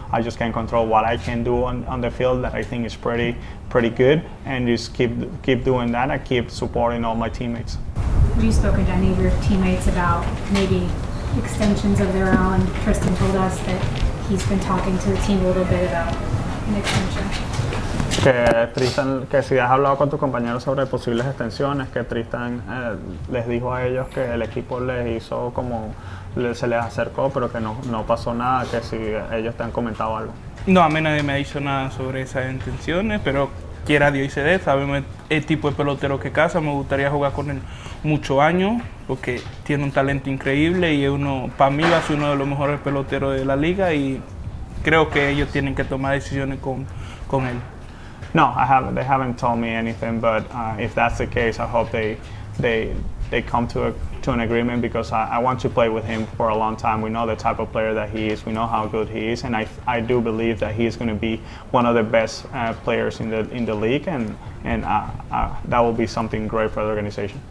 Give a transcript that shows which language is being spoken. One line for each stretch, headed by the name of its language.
English: I just can't control what I can do on the field that I think is pretty good, and just keep doing that. I keep supporting all my teammates. Have you spoken to any of your teammates about maybe extensions of their own? Tristan told us that he's been talking to the team a little bit about an extension.
Spanish: Que Tristan, que si has hablado con tus compañeros sobre posibles extensiones, que Tristan les dijo a ellos que el equipo les hizo como se les acercó, pero que no pasó nada, que si ellos te han comentado algo. No, a mí nadie me ha dicho nada sobre esas extensiones, pero quiera Dios y se dé. Sabemos el tipo de pelotero que casa, me gustaría jugar con él mucho años, porque tiene un talento increíble y es uno, para mí va a ser uno de los mejores peloteros de la liga y creo que ellos tienen que tomar decisiones con él.
English: No, they haven't told me anything, but if that's the case, I hope they come to an agreement, because I want to play with him for a long time. We know the type of player that he is, we know how good he is, and I do believe that he is going to be one of the best players in the league, and that will be something great for the organization.